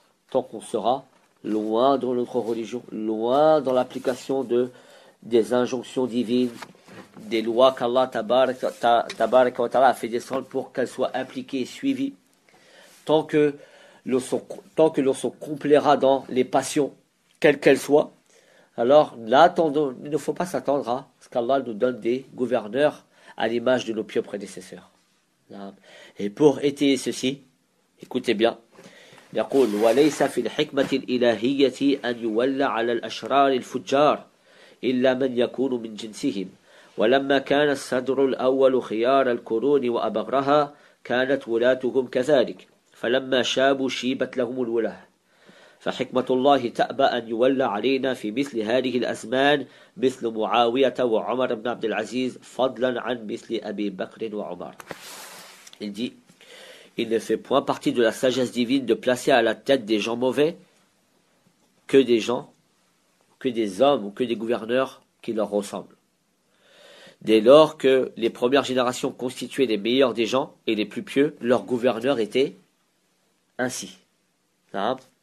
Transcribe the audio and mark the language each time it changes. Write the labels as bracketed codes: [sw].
[fr] tant qu'on sera loin de notre religion, loin dans l'application des injonctions divines, des lois qu'Allah tabarak wa ta'ala a fait descendre pour qu'elles soient appliquées et suivies, tant que l'on se complaira dans les passions, quelles qu'elles soient, alors l'attendons. Il ne faut pas s'attendre à ce qu'Allah nous donne des gouverneurs à l'image de nos pieux prédécesseurs. Et pour étayer ceci, écoutez bien. [ar] يقول وليس في الحكمة الإلهية أن يولى على الأشرار الفجار إلا من يكون من جنسهم. ولما كان الصدر الأول خيار القرون وأبغرها كانت ولاتهم كذلك فلما شابوا شيبت لهم الولاة فحكمة الله تأبى أن يولى علينا في مثل هذه الأزمان مثل معاوية وعمر بن عبد العزيز فضلا عن مثل أبي بكر وعمر. [fr] Il dit, il ne fait point partie de la sagesse divine de placer à la tête des gens mauvais que des gens, que des hommes ou que des gouverneurs qui leur ressemblent. Dès lors que les premières générations constituaient les meilleurs des gens et les plus pieux, leurs gouverneurs étaient ainsi. Hein?